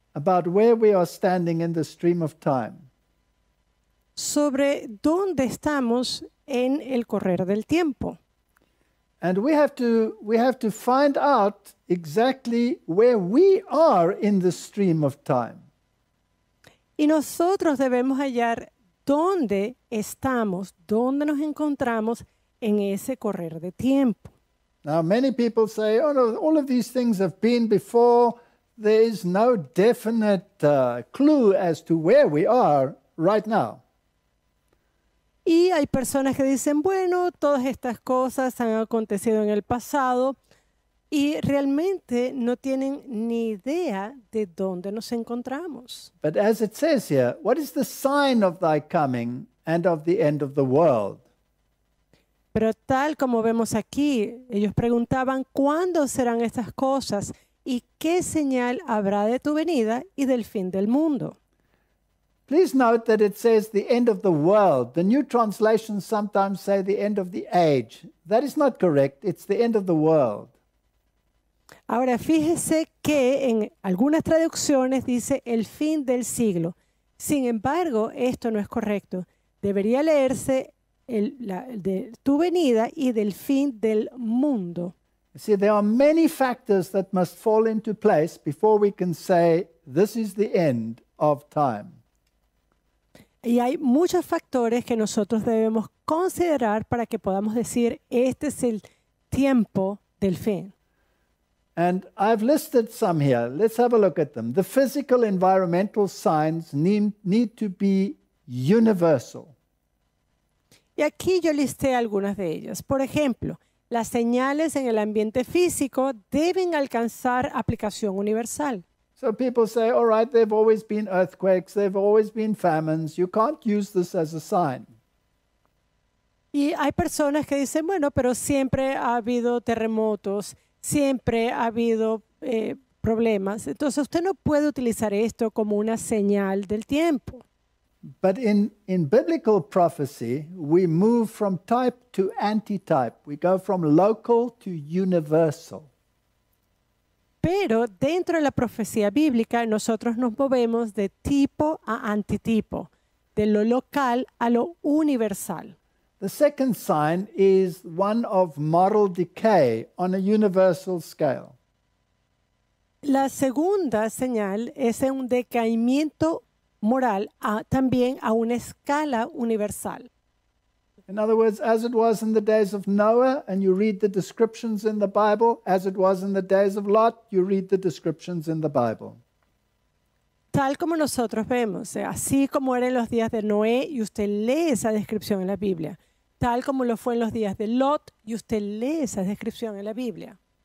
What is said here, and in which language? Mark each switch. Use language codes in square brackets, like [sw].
[en] About where we are standing in the stream of time. [es] Sobre dónde estamos en el correr del tiempo. [en] And we have to find out exactly where we are in the stream of time. [es] Y nosotros debemos hallar dónde estamos, dónde nos encontramos en ese correr de tiempo. [en] Now many people say, oh no, all of these things have been before. There is no definite clue as to where we are right now. [es] Y hay personas que dicen, bueno, todas estas cosas han acontecido en el pasado y realmente no tienen ni idea de dónde nos encontramos. [en] But as it says here, what is the sign of thy coming and of the end of the world? [es] Pero tal como vemos aquí, ellos preguntaban, ¿cuándo serán estas cosas y qué señal habrá de tu venida y del fin del mundo? [en] Please note that it says the end of the world. The new translations sometimes say the end of the age. That is not correct. It's the end of the world. [es] Ahora, fíjese que en algunas traducciones dice el fin del siglo. Sin embargo, esto no es correcto. Debería leerse de tu venida y del fin del mundo. [en] See, there are many factors that must fall into place before we can say this is the end of time. [es] Y hay muchos factores que nosotros debemos considerar para que podamos decir, este es el tiempo del fin. [en] And I've listed some here. Let's have a look at them. The physical environmental signs need to be universal. [es] Y aquí yo listé algunas de ellas. Por ejemplo, las señales en el ambiente físico deben alcanzar aplicación universal. [en] So people say, all right, there've always been earthquakes, there've always been famines. You can't use this as a sign. [es] Y hay personas que dicen, bueno, pero siempre ha habido terremotos, siempre ha habido problemas. Entonces usted no puede utilizar esto como una señal del tiempo. [en] But in biblical prophecy, we move from type to anti-type. We go from local to universal. [es] Pero dentro de la profecía bíblica, nosotros nos movemos de tipo a antitipo, de lo local a lo universal. [en] The second sign is one of moral decay on a universal scale. [es] La segunda señal es un decaimiento moral también a una escala universal. [en] In other words, as it was in the days of Noah, and you read the descriptions in the Bible, as it was in the days of Lot, you read the descriptions in the Bible. [es] Tal como nosotros vemos, así como era en los días de Noé, y usted lee esa descripción en la Biblia. Tal como lo fue en los días de Lot, y usted lee esa descripción en la Biblia.